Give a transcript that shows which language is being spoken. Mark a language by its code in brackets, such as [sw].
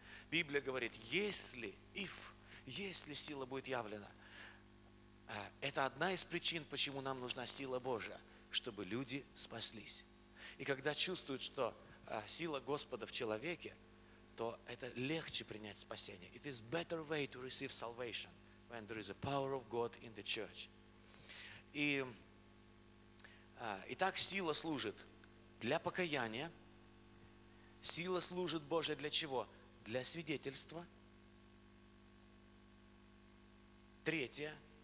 [ru] Библия говорит, если сила будет явлена, это одна из причин, почему нам нужна сила Божия, чтобы люди спаслись. И когда чувствуют, что сила Господа в человеке, то это легче принять спасение. [en] It is better way to receive salvation when there is a power of God in the church. [ru] И так сила служит для покаяния. Сила служит Божия для чего? Для свидетельства. Третье.